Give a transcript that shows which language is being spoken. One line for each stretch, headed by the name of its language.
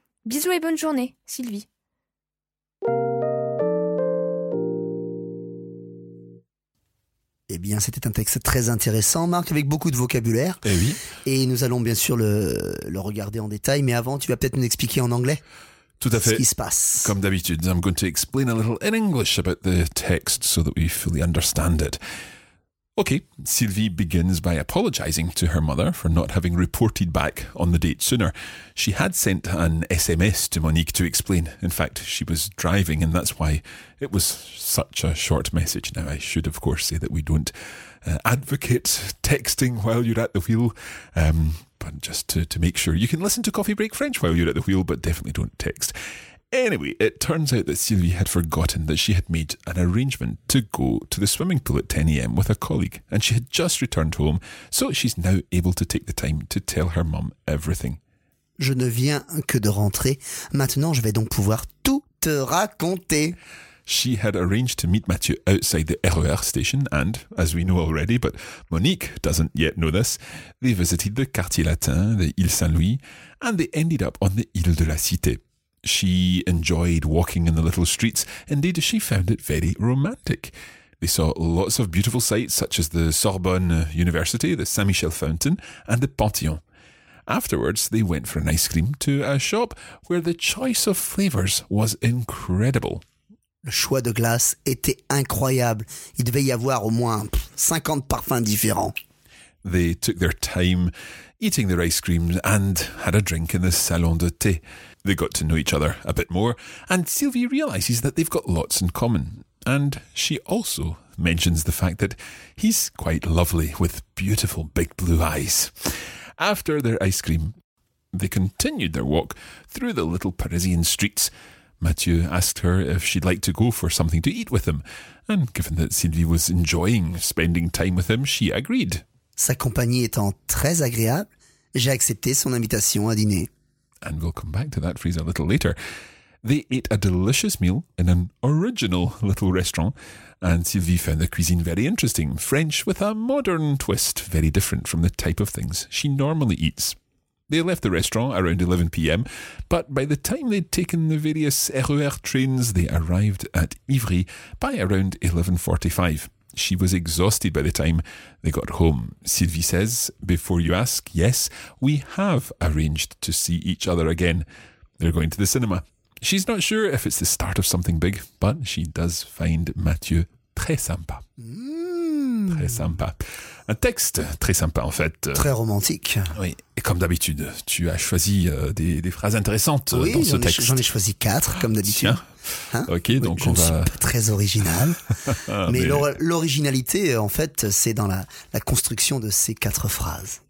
French: Bisous et bonne journée, Sylvie. Eh bien, c'était un texte très intéressant, Marc, avec beaucoup de vocabulaire. Eh oui. Et nous allons bien sûr le regarder en détail, mais avant, tu vas peut-être nous expliquer en anglais. Tout à fait. Ce qui se passe. Comme d'habitude,
English: I'm going to explain a little in English about the text so that we fully understand it. Okay, Sylvie begins by apologizing to her mother for not having reported back on the date sooner. She had sent an SMS to Monique to explain. In fact, she was driving and that's why it was such a short message. Now, I should, of course, say that we don't advocate texting while you're at the wheel, but just to make sure. You can listen to Coffee Break French while you're at the wheel, but definitely don't text. Anyway, it turns out that Sylvie had forgotten that she had made an arrangement to go to the swimming pool at 10 a.m. with a colleague, and she had just returned home, so she's now able to take the time to tell her mum everything.
French: Je ne viens que de rentrer. Maintenant, je vais donc pouvoir tout te raconter.
English: She had arranged to meet Mathieu outside the RER station and, as we know already, but Monique doesn't yet know this, they visited the Quartier Latin, the Île Saint-Louis, and they ended up on the Île de la Cité. She enjoyed walking in the little streets. Indeed, she found it very romantic. They saw lots of beautiful sights, such as the Sorbonne University, the Saint-Michel Fountain, and the Panthéon. Afterwards, they went for an ice cream to a shop where the choice of flavours was incredible.
French: Le choix de glace était incroyable. Il devait y avoir au moins 50 parfums différents.
English: They took their time eating their ice creams and had a drink in the salon de thé. They got to know each other a bit more, and Sylvie realises that they've got lots in common. And she also mentions the fact that he's quite lovely with beautiful big blue eyes. After their ice cream, they continued their walk through the little Parisian streets. Mathieu asked her if she'd like to go for something to eat with him, and given that Sylvie was enjoying spending time with him, she agreed.
French: Sa compagnie étant très agréable, j'ai accepté son invitation à dîner.
English: And we'll come back to that phrase a little later. They ate a delicious meal in an original little restaurant, and Sylvie found the cuisine very interesting, French with a modern twist, very different from the type of things she normally eats. They left the restaurant around 11 p.m, but by the time they'd taken the various RER trains, they arrived at Ivry by around 11:45. she was exhausted by the time they got home. Sylvie says, before you ask, yes, we have arranged to see each other again. They're going to the cinema. She's not sure if it's the start of something big, but she does find Mathieu
French: très sympa. Mmh. Très sympa. Un texte très sympa, en fait. Très romantique. Oui, et comme d'habitude, tu as choisi des phrases intéressantes oui, dans ce texte. Oui, j'en ai choisi quatre, comme d'habitude. Tiens. Hein? Ok, oui, donc on va. Je ne suis pas très original. mais l'originalité, en fait, c'est dans la construction de ces quatre phrases.